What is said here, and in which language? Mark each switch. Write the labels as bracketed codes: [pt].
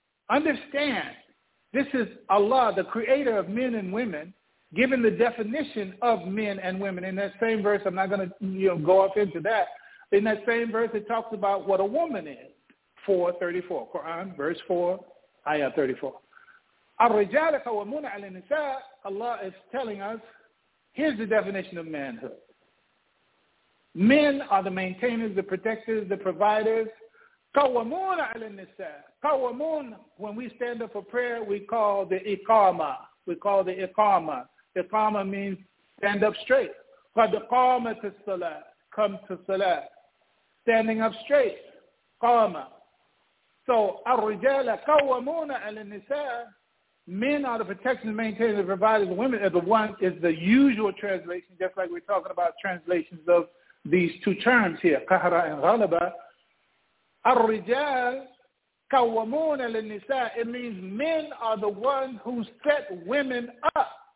[en] Understand, this is Allah, the creator of men and women, giving the definition of men and women. In that same verse, I'm not going to go off into that. In that same verse, it talks about what a woman is. 434, Quran, verse 4, ayah 34. [ar] الرجال قوامون على النساء. [en] Allah is telling us, here's the definition of manhood. Men are the maintainers, the protectors, the providers. [ar] قوامون على النساء. [en] قوامون, when we stand up for prayer, we call the iqama. We call the iqama. Iqama means stand up straight. [ar] قد قامت الصلاة. [en] Come to salah. Standing up straight. قامة. So, [ar] الرجال قوامون على النساء. [en] Men are the protection and maintainers and providers. Women are the one is the usual translation, just like we're talking about translations of these two terms here, kahra and ghalaba. [ar] Al-rijal kawamun al-nisa. [en] It means men are the ones who set women up.